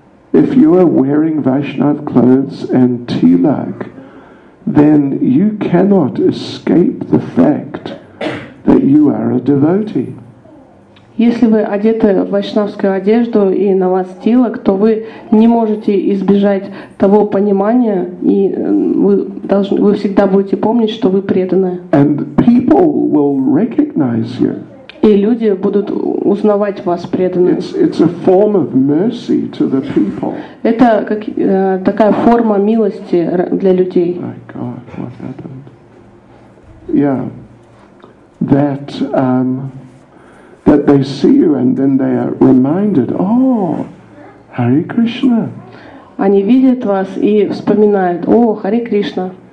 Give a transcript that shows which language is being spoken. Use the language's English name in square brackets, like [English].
[English] If you are wearing Vaishnav clothes and tilak, then you cannot escape the fact that you are a devotee. [Russian] Если вы одеты в вайшнавскую одежду и на вас тилак, то вы не можете избежать того понимания, и вы всегда будете помнить, что вы преданы. [English] And people will recognize you. [Russian] И люди будут узнавать вас преданным. [English] It's a form of mercy to the people. [Russian] Это как такая форма милости для людей. [English] My God, what happened? Yeah. That that they see you and then they are reminded, oh, Hare Krishna. [Russian] Они видят вас и вспоминают, о, Харе Кришна.